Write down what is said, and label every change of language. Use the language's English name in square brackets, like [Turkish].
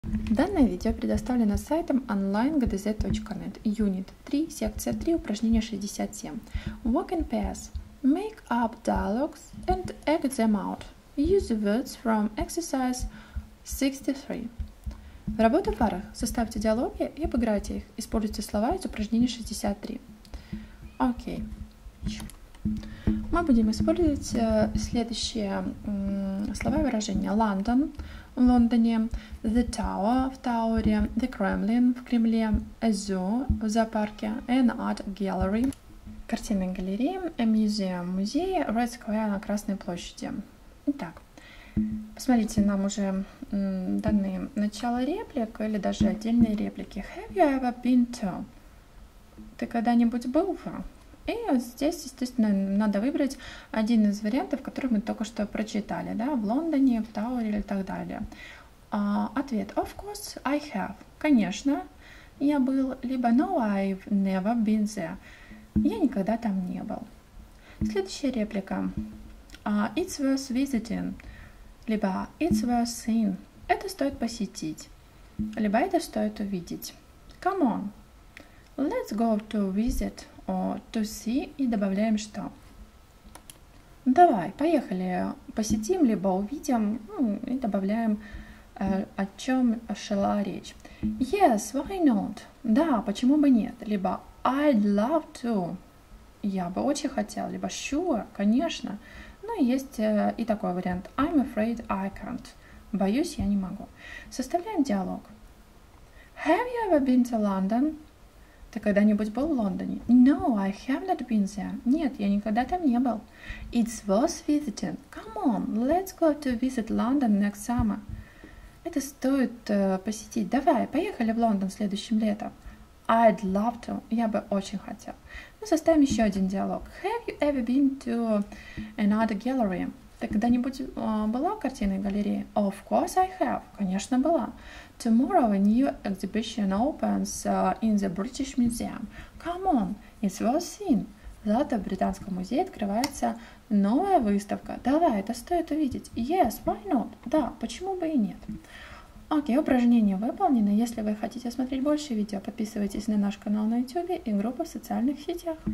[Russian] Данное видео предоставлено сайтом online.gdz.net. Unit 3, секция 3, упражнение 67. [English] Walk in pairs. Make up dialogues and act them out. Use words from exercise 63. [Russian] Работа в парах. Составьте диалоги и обыграйте их. Используйте слова из упражнения 63. Окей. Мы будем использовать следующие слова и выражения. London в Лондоне, [English] the tower [Russian] в Тауэре, the Kremlin в Кремле, [English] a zoo [Russian] в зоопарке, [English] an art gallery, [Russian] картинная галерея, [English] a museum [Russian] в музее, Red Square на Красной площади. Итак, посмотрите, нам уже даны начало реплик или даже отдельные реплики. [English] Have you ever been to? [Russian] Ты когда-нибудь был в? И вот здесь, естественно, надо выбрать один из вариантов, который мы только что прочитали, да, в Лондоне, в Тауэре и так далее. Ответ. [English] Of course, I have. [Russian] Конечно, я был. [English] Либо no, I've never been there. [Russian] Я никогда там не был. Следующая реплика. [English] It's worth visiting. Либо it's worth seeing. [Russian] Это стоит посетить. Либо это стоит увидеть. [English] Come on. Let's go to visit. To see [Russian] и добавляем что. Давай, поехали, посетим, либо увидим, и добавляем, о чем шла речь. [English] Yes, why not? [Russian] Да, почему бы нет? [English] Либо I'd love to. [Russian] Я бы очень хотел. Либо sure, конечно. Ну, есть и такой вариант. [English] I'm afraid I can't. [Russian] Боюсь, я не могу. Составляем диалог. [English] Have you ever been to London? [Russian] Ты когда-нибудь был в Лондоне? [English] No, I have not been there. [Russian] Нет, я никогда там не был. [English] It's worth visiting. Come on, let's go to visit London next summer. [Russian] Это стоит посетить. Давай, поехали в Лондон следующим летом. [English] I'd love to. [Russian] Я бы очень хотел. Ну, составим еще один диалог. [English] Have you ever been to an art gallery? [Russian] Ты когда-нибудь была в картинной галерее? [English] Of course I have. [Russian] Конечно, была. [English] Tomorrow a new exhibition opens in the British Museum. Come on, it's worth seeing. [Russian] Завтра в Британском музее открывается новая выставка. Давай, это стоит увидеть. [English] Yes, why not? [Russian] Да, почему бы и нет? Окей, упражнение выполнено. Если вы хотите смотреть больше видео, подписывайтесь на наш канал на YouTube и группу в социальных сетях.